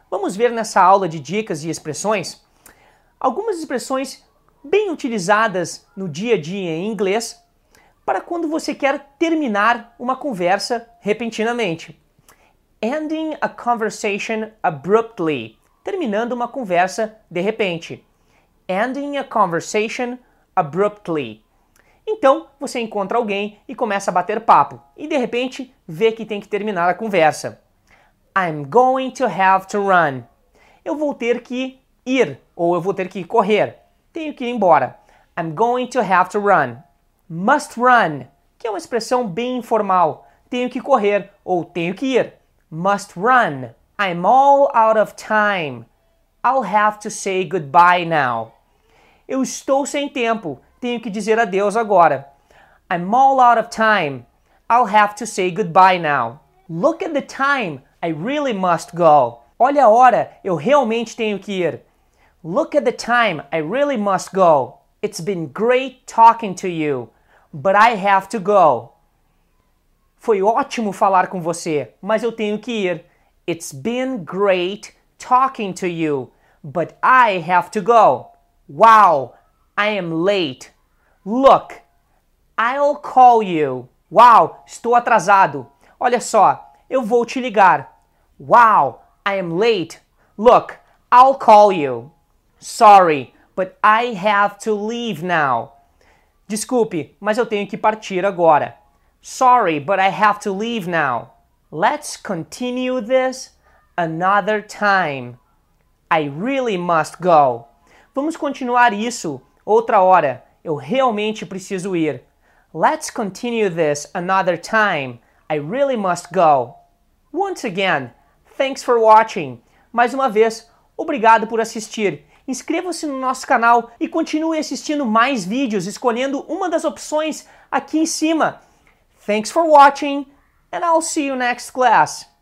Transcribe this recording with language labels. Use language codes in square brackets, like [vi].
[pt] Vamos ver nessa aula de dicas e expressões algumas expressões bem utilizadas no dia a dia em inglês para quando você quer terminar uma conversa repentinamente. [en] Ending a conversation abruptly. [pt] Terminando uma conversa de repente. [en] Ending a conversation abruptly. [pt] Então, você encontra alguém e começa a bater papo e de repente vê que tem que terminar a conversa. [en] I'm going to have to run. [pt] Eu vou ter que ir, ou eu vou ter que correr. Tenho que ir embora. [en] I'm going to have to run. Must run, [pt] que é uma expressão bem informal. Tenho que correr, ou tenho que ir. [en] Must run. I'm all out of time. I'll have to say goodbye now. [pt] Eu estou sem tempo. Tenho que dizer adeus agora. [en] I'm all out of time. I'll have to say goodbye now. Look at the time. I really must go. [pt] Olha a hora, eu realmente tenho que ir. [en] Look at the time, I really must go. It's been great talking to you, but I have to go. [pt] Foi ótimo falar com você, mas eu tenho que ir. [en] It's been great talking to you, but I have to go. Wow, I am late. Look, I'll call you. [pt] Wow, estou atrasado. Olha só, eu vou te ligar. [en] Wow, I am late. Look, I'll call you. Sorry, but I have to leave now. [pt] Desculpe, mas eu tenho que partir agora. [en] Sorry, but I have to leave now. Let's continue this another time. I really must go. [pt] Vamos continuar isso outra hora. Eu realmente preciso ir. [en] Let's continue this another time. I really must go. Once again, thanks for watching. [pt] Mais uma vez, obrigado por assistir. Inscreva-se no nosso canal e continue assistindo mais vídeos, escolhendo uma das opções aqui em cima. [en] Thanks for watching, and I'll see you next class.